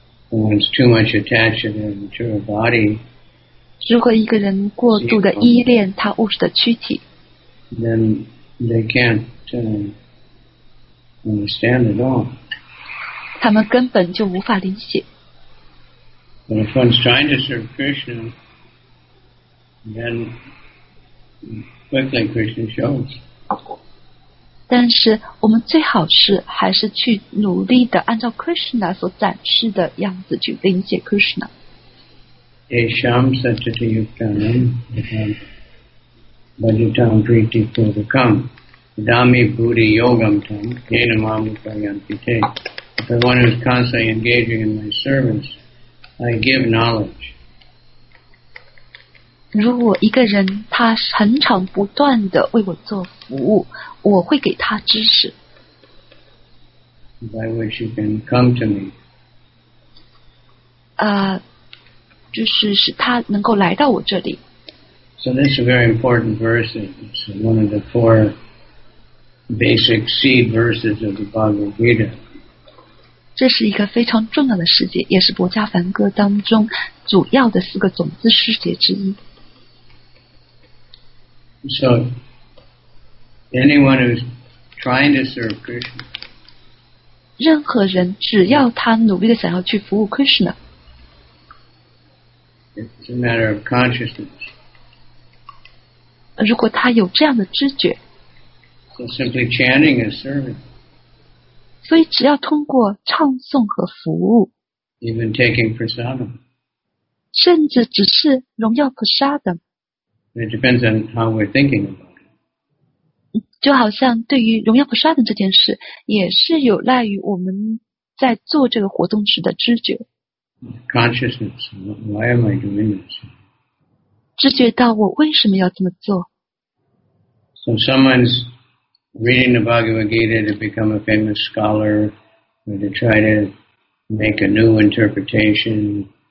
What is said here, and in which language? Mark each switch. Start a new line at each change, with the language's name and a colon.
English: When it's too much attached to the material body,
Chinese: 如果一个人过度的依恋他物质的躯体
English: then they can't understand at all
Chinese: 他们根本就无法理解
English: But if one's trying to serve Krishna then quickly Krishna shows
Chinese: 但是我们最好是还是去努力的按照 Krishna 所展示的样子去理解 Krishna
Sanskrit: Esham satyata yuktanam bhajitam priti purvakam dami buddhi yogam tam yenamam upayanti te.
English: The one who is constantly engaging in my service, I give knowledge.
Chinese: 如果一个人他很长不断地为我做服务，我会给他知识。
English: By which you can come to me.
Chinese: 就是使他能够来到我这里。
English: So this is a very important verse. It's one of the four basic seed verses of the Bhagavad Gita.
Chinese: 这是一个非常重要的世界，也是《博迦梵歌》当中主要的四个种子世界之一。
English: So, anyone who's trying to serve Krishna,
Chinese: 任何人只要他努力地想要去服务 Krishna,
English: it's a matter of consciousness.
Chinese: 如果他有这样的知觉,
English: so simply chanting is serving.
Chinese: 所以只要通过唱诵和服务,
English: even taking prasadam,
Chinese: 甚至只是荣耀 prasadam,
English: It depends on how we're thinking about it.
Chinese: 就好像对于荣耀普沙的这件事，也是有赖于我们在做这个活动时的知觉。
English: Consciousness, why am I doing this?
Chinese: 知觉到我为什么要这么做。
English: So someone's reading the Bhagavad Gita to become a famous scholar, or to try to make a new interpretation.